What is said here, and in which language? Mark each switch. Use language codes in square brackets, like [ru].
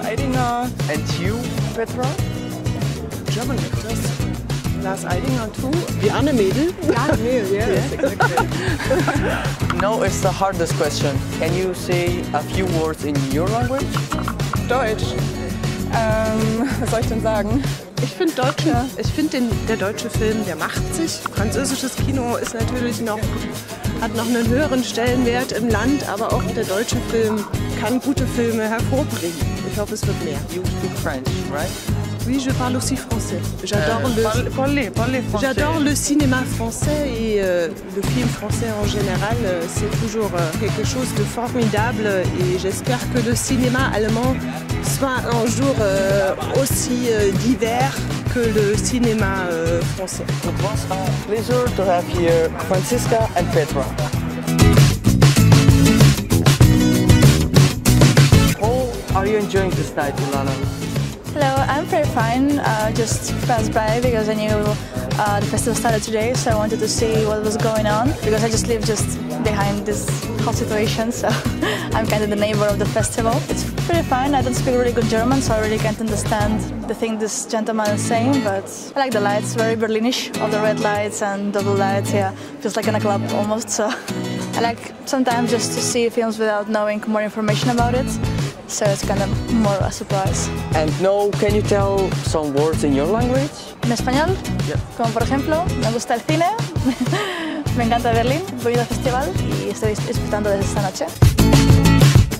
[en] And you, Petra? German actors. Blaise Eidinger too. [de] Die Anne Mädel. [en] Die Anne Mädel, yes, exactly. Now it's the hardest question. Can you say a few words in your language? [de] Deutsch. Was soll ich denn sagen? Ich finde Deutsch. Ja. Ich finde der deutsche Film, der macht sich. Französisches Kino ist natürlich noch, hat noch einen höheren Stellenwert im Land, aber auch der deutsche Film kann gute Filme hervorbringen. Ich hoffe, es wird mehr. [en] You speak French, right? [fr] Oui, je parle aussi français. J'adore parler français. J'adore le cinéma français et le film français en général. C'est toujours quelque chose de formidable et j'espère que le cinéma allemand soit un jour aussi divers que le cinéma français. [en] It was a pleasure to have here Francisca and Petra. How are you enjoying this night in London? Hello, I'm pretty fine. Just passed by because I knew the festival started today, so I wanted to see what was going on because I just live just behind this whole situation, so I'm kind of the neighbor of the festival. It's pretty fine. I don't speak really good German, so I really can't understand the thing this gentleman is saying, but I like the lights, very Berlinish, all the red lights and double lights, yeah. Feels like in a club almost, so I like sometimes just to see films without knowing more information about it. So it's kind of more a surprise. And now, can you tell some words in your language? [es] En español? [en] Yeah. [es] Como por ejemplo, me gusta el cine, me encanta Berlín, voy al festival y estoy disfrutando desde esta noche.